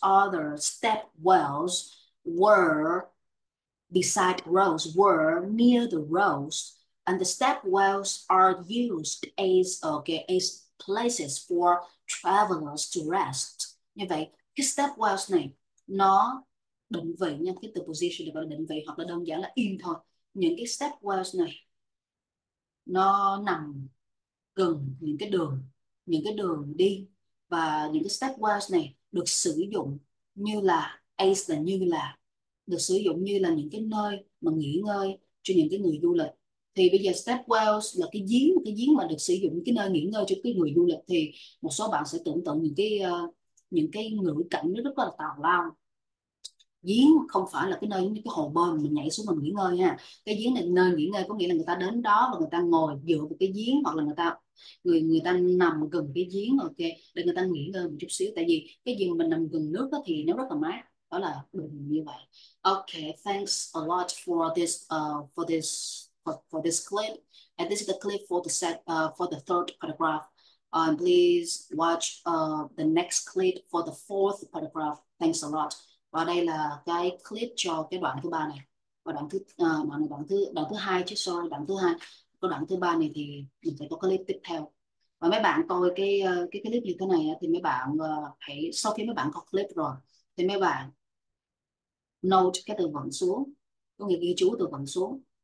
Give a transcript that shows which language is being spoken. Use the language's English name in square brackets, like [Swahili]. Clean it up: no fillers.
[English] Other stepwells were beside roads, were near the roads. And the stepwells are used as okay as places for travelers to rest. [Vietnamese] Như vậy cái stepwells này nó định vị nha, cái từ position gọi là định vị hoặc là đơn giản là in thôi. Những cái stepwells này nó nằm gần những cái đường đi, và những cái stepwells này được sử dụng như là as như là được sử dụng như là những cái nơi mà nghỉ ngơi cho những cái người du lịch. Thì bây giờ stepwells là cái giếng mà được sử dụng cái nơi nghỉ ngơi cho cái người du lịch, thì một số bạn sẽ tưởng tượng những cái ngữ cảnh nó rất là tào lao. Giếng không phải là cái nơi giống như cái hồ bơi mà mình nhảy xuống mình nghỉ ngơi ha. Cái giếng này nơi nghỉ ngơi có nghĩa là người ta đến đó và người ta ngồi dựa vào cái giếng, hoặc là người ta nằm gần cái giếng ok để người ta nghỉ ngơi một chút xíu, tại vì cái giếng mình nằm gần nước đó thì nó rất là mát. Đó là đúng như vậy. [English] Okay, thanks a lot for this clip, and this is the clip for the third paragraph. Please watch the next clip for the fourth paragraph. Thanks a lot. [Vietnamese] Và đây là cái clip cho cái đoạn thứ ba này và đoạn thứ hai chứ, sorry, đoạn thứ hai. Cái đoạn thứ ba này thì mình sẽ có clip tiếp theo. Và mấy bạn coi cái clip như thế này thì mấy bạn hãy sau khi mấy bạn có clip rồi thì mấy bạn note cái từ vựng xuống, có nghĩa ghi chú từ vựng xuống.